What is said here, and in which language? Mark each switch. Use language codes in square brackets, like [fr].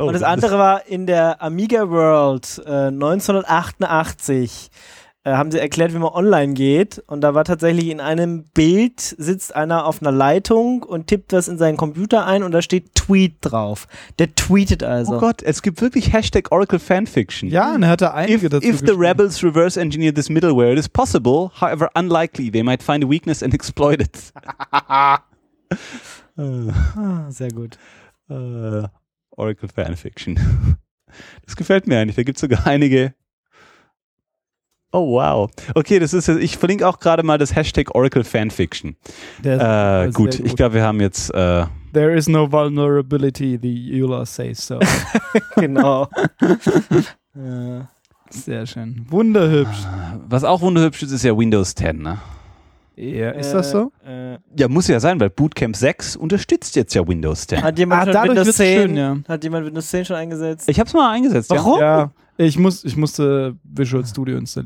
[de] Und das andere war in der Amiga World 1988. Haben sie erklärt, wie man online geht und da war tatsächlich in einem Bild sitzt einer auf einer Leitung und tippt was in seinen Computer ein und da steht Tweet drauf. Der tweetet also. Oh Gott, es gibt wirklich Hashtag Oracle Fanfiction. Ja, und er hat da einige dazu geschrieben. [en] If the rebels reverse engineer this middleware, it is possible, however unlikely, they might find a weakness and exploit it. [de] Sehr gut. Oracle Fanfiction. Das gefällt mir eigentlich, da gibt es sogar einige. Oh wow. Okay, ich verlinke auch gerade mal das Hashtag Oracle Fanfiction. Gut, ich glaube, wir haben jetzt. [en] There is no vulnerability, the EULA says so. [de] Genau. Sehr schön. Wunderhübsch. Was auch wunderhübsch ist, ist ja Windows 10, ne? Ja, ist das so? Ja, muss ja sein, weil Bootcamp 6 unterstützt jetzt ja Windows 10. Hat jemand Windows 10? Schön, ja. Hat jemand Windows 10 schon eingesetzt? Ich hab's mal eingesetzt. Warum? Ja. Ich musste Visual Studio installieren.